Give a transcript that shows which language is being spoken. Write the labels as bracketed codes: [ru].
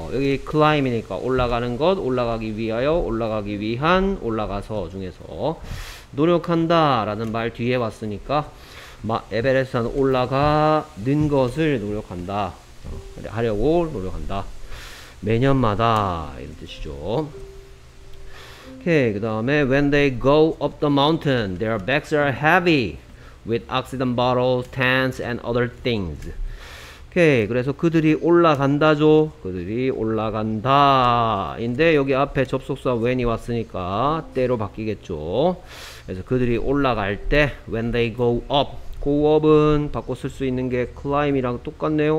[ko] 여기 climb이니까 올라가는 것, 올라가기 위하여, 올라가기 위한, 올라가서 중에서 노력한다 라는 말 뒤에 왔으니까 에베레스트산 올라가는 것을 노력한다, 하려고 노력한다. 매년마다 이런 뜻이죠. 오케이, 그 다음에 [en] When they go up the mountain, their bags are heavy with oxygen bottles, tents, and other things. [ko] 오케이. 그래서 그들이 올라간다죠. 그들이 올라간다. 인데 여기 앞에 접속사 when이 왔으니까 때로 바뀌겠죠. 그래서 그들이 올라갈 때 [en] when they go up. [ko] go up은 바꿔 쓸 수 있는 게 climb이랑 똑같네요.